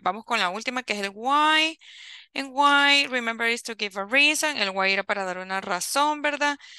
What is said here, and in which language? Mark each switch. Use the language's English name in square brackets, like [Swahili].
[Spanish] Vamos con la última que es el why. [English] And why, remember, is to give a reason. [Spanish] El why era para dar una razón, ¿verdad?